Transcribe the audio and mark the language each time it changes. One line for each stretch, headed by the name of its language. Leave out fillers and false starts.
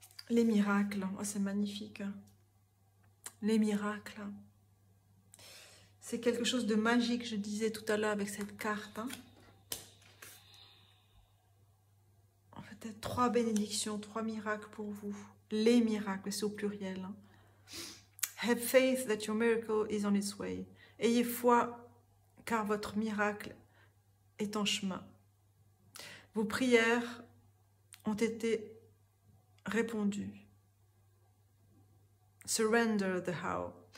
French: Les miracles, oh, c'est magnifique. Les miracles. C'est quelque chose de magique, je disais tout à l'heure avec cette carte. Hein. En fait, trois bénédictions, trois miracles pour vous. Les miracles, c'est au pluriel. Hein.
English: Have faith that your miracle is on its way.
French: Ayez foi, car votre miracle est en chemin. Vos prières ont été répondues.
English: Surrender the how.